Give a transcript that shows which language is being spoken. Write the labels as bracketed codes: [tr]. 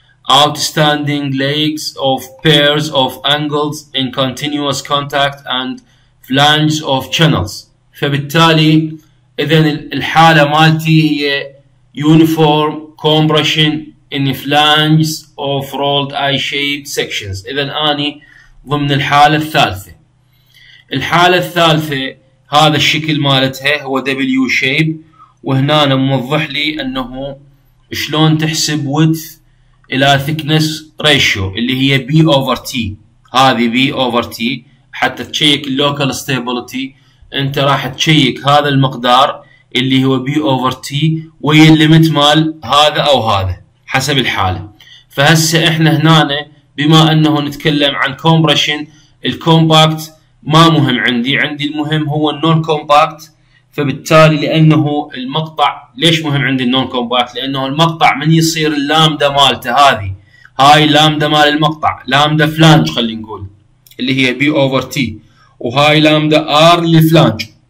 [en] Outstanding legs of pairs of angles in continuous contact and flanges of channels. [ar] فبالتالي إذن الحالة مالتي هي [en] uniform compression in flanges of rolled I-shaped sections. [ar] إذن أني ضمن الحالة الثالثة. الحالة الثالثة هذا الشكل مالتها هو W shape. وهنا موضح لي أنه شلون تحسب width إلى thickness ratio اللي هي B over T. هذه B over T حتى تشيك local stability. أنت راح تشيك هذا المقدار اللي هو B over T وي الليمت مال هذا أو هذا حسب الحالة. فهسا إحنا هنا بما أنه نتكلم عن compression الكومباكت ما مهم عندي. عندي المهم هو النون كومباكت. فبالتالي لأنه المقطع ليش مهم عندي النون كومباكت؟ لأنه المقطع من يصير اللامدا مالته هذه هاي اللامدا مال المقطع لامدا فلانج خلينا نقول اللي هي B over T وهاي لامدا R للفلانج.